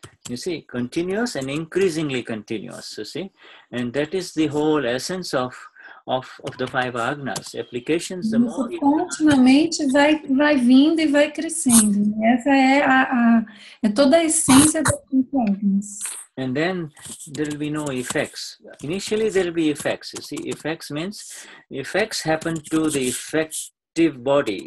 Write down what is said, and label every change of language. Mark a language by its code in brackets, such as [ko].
[en] You see, continuous and increasingly continuous, you see? And that is the whole essence of the five agnas, applications. The more [pt] continuamente vai vindo e vai crescendo. Essa é é toda a essência das cinco agnas. [en] And then there will be no effects. Initially there will be effects. You see, effects means effects happen to the effective body.